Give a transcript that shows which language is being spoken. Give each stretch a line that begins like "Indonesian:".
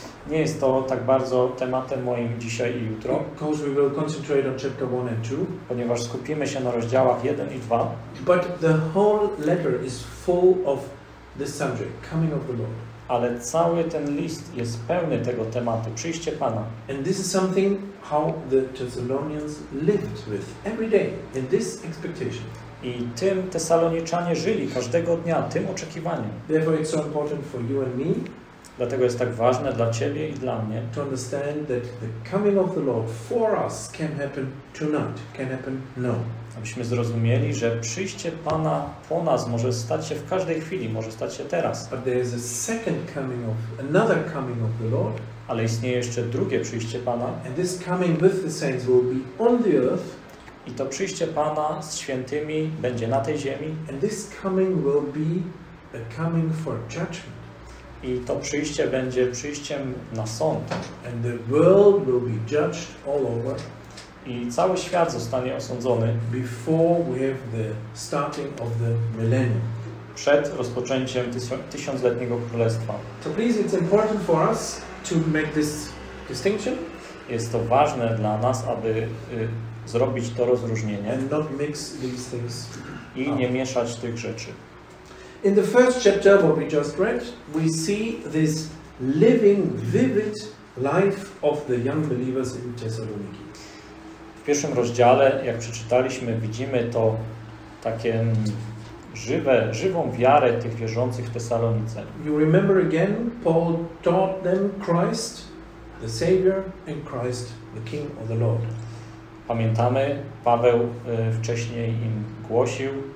Polish: Nie jest to tak bardzo tematem moim dzisiaj i jutro.
English: Because we will concentrate on chapter 1 and 2.
Polish: Ponieważ skupimy się na rozdziałach 1 i 2.
English: But the whole letter is full of this subject, coming of the Lord.
Polish: Ale cały ten list jest pełny tego tematu, przyjście Pana.
English: And this is something how the Thessalonians lived with every day in this expectation.
Polish: I tym Tesaloniczanie żyli każdego dnia tym oczekiwaniem.
English: Therefore it's so important for you and me.
Polish: Dlatego jest tak ważne dla ciebie i dla mnie.
English: To understand that the coming of the Lord for us can happen tonight, can happen now.
Polish: Abyśmy zrozumieli, że przyjście Pana po nas może stać się w każdej chwili, może stać się teraz.
English: But there is a second coming of, another coming of the Lord.
Polish: Ale istnieje jeszcze drugie przyjście Pana.
English: And this coming with the saints will be on the earth.
Polish: I to przyjście Pana z świętymi będzie na tej ziemi.
English: And this coming will be a coming for judgment.
Polish: I to przyjście będzie przyjściem na sąd.
English: And the world will be judged all over.
Polish: I cały świat zostanie osądzony
English: before we have the starting of the millennium.
Polish: Przed rozpoczęciem tysiącletniego królestwa.
English: So please, it's important for us to make this distinction.
Polish: Jest to ważne dla nas, aby zrobić to rozróżnienie.
English: And not mix these things.
Polish: I nie mieszać tych rzeczy.
English: In the first chapter, what we just read, we see this living, vivid life of the young believers in Thessaloniki.
Polish: W pierwszym rozdziale, jak przeczytaliśmy, widzimy to takie żywą wiarę tych wierzących w Tesalonice.
English: You remember again, Paul taught them Christ, the Savior, and Christ, the King of the Lord.
Polish: Pamiętamy, Paweł wcześniej im głosił.